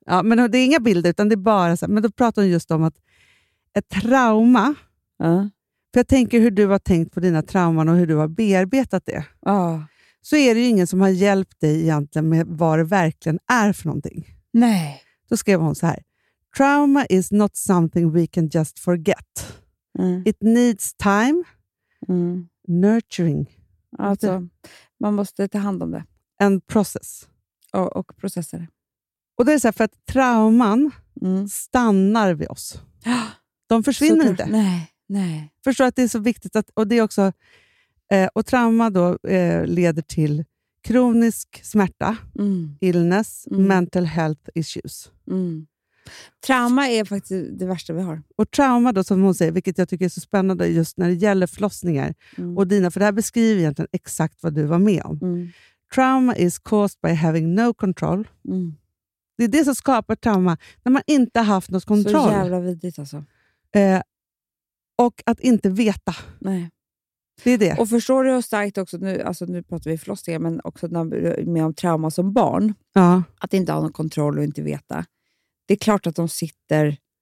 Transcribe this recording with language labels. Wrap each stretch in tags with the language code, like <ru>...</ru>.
<sv>Ja, men det är inga bilder, utan det är bara så här. Men då pratar hon just om att ett trauma. För jag tänker hur du har tänkt på dina trauman och hur du har bearbetat det. Så är det ju ingen som har hjälpt dig egentligen med vad det verkligen är för någonting. Nej. Då skrev hon så här.</sv> <en>Trauma is not something we can just forget. It needs time. Nurturing.</en> <sv>Alltså, man måste ta hand om det. En process. Och processer. Och det är så här, för att trauman stannar vid oss. De försvinner inte. Nej. Förstår att det är så viktigt att, och det är också, och trauma då leder till kronisk smärta,</sv> <en>illness, mental health issues.</en> <sv>Trauma är faktiskt det värsta vi har. Och trauma då, som hon säger, vilket jag tycker är så spännande just när det gäller förlossningar och dina, för det här beskriver egentligen exakt vad du var med om.</sv> <en>Trauma is caused by having no control.</en> <sv>Det är det som skapar trauma, när man inte har haft något kontroll. Så jävla vidigt alltså. Och att inte veta. Nej. Det är det. Och förstår du hur starkt också, nu pratar vi förlossningar, men också när du är med om trauma som barn. Ja. Att inte ha någon kontroll och inte veta. Det är klart att de sitter...</sv>